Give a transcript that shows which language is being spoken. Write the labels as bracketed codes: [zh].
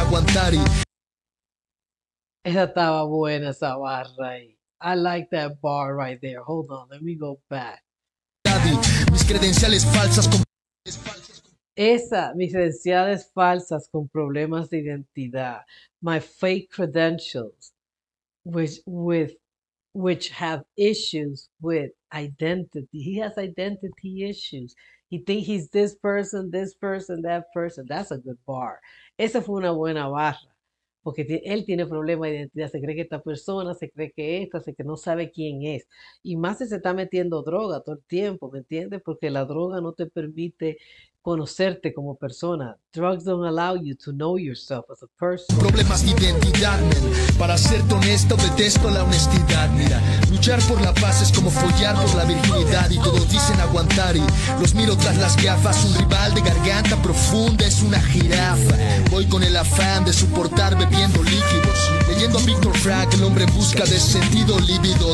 [es] aguantar. Esa estaba buena, esa barra ahí. [en] I like that bar right there. Hold on, let me go back. [es] Mis credenciales falsas con... Esa, mis credenciales falsas con problemas de identidad. [en] My fake credentials, which have issues with identity. He has identity issues. He thinks he's this person, that person. That's a good bar. [es] Esa fue una buena barra. Porque él tiene problema de identidad. Se cree que esta persona, se cree que esta, se cree que no sabe quién es. Y más si se está metiendo droga todo el tiempo, ¿me entiendes? Porque la droga no te permite conocerte como persona. [en] Drugs don't allow you to know yourself as a person. [es] Problemas de identidad, man. Para serte honesto, detesto la honestidad, mira. Luchar por la paz es como follar por la virginidad. Y todos dicen aguantar y los miro tras las gafas. Un rival de garganta profunda es una jirafa. Voy con el afán de soportar bebiendo líquidos. Leyendo a Victor Frank, el hombre busca de sentido lívido.